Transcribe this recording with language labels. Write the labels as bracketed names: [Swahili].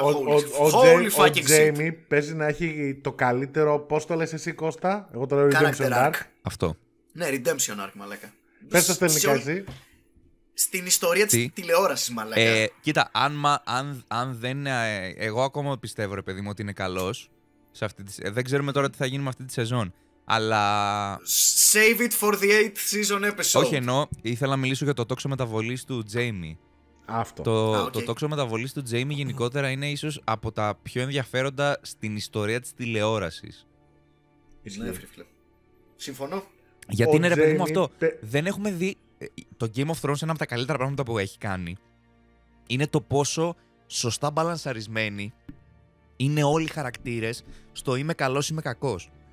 [Greek] Ο Τζέιμι παίζει να έχει το καλύτερο, πώς το λες εσύ Κώστα, εγώ το λέω Redemption Arc. Αυτό. Ναι, Redemption Arc, μαλέκα. Πες το στελνικά εσύ. Στην ιστορία της τηλεόρασης, μαλέκα. Κοίτα, αν δεν είναι, εγώ ακόμα πιστεύω, ρε παιδί μου, ότι είναι καλός. Δεν ξέρουμε τώρα τι θα γίνει με αυτή τη σεζόν. Αλλά... [English] Save it for the 8th season episode. [Greek] Όχι, εννοώ, ήθελα να μιλήσω για το τόξο μεταβολής του Τζέιμι. Αυτό. Το τόξο μεταβολής του Τζέιμι γενικότερα είναι ίσως από τα πιο ενδιαφέροντα στην ιστορία της τηλεόρασης. Συμφωνώ. Γιατί είναι, ρε παιδί μου, αυτό. Δεν έχουμε δει... Το Game of Thrones, ένα από τα καλύτερα πράγματα που έχει κάνει, είναι το πόσο σωστά μπαλανσαρισμένοι είναι όλοι οι χαρακτήρες στο είμαι καλός, είμαι κακός.